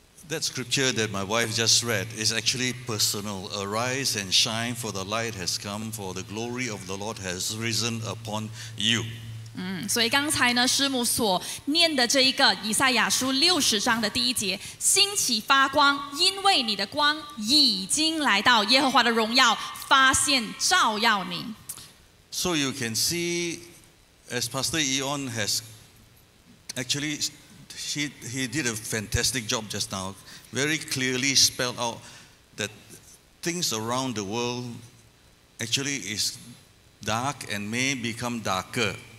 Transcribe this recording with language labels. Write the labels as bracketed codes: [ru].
[en] That scripture that my wife just read is actually personal. Arise and shine, for the light has come, for the glory of the Lord has risen upon you. [zh] 所以刚才呢，师母所念的这一个以赛亚书六十章的第一节，兴起发光，因为你的光已经来到，耶和华的荣耀发现照耀你。So [en] you can see, as Pastor Eon has actually, he did a fantastic job just now, very clearly spelled out that things around the world actually is dark and may become darker.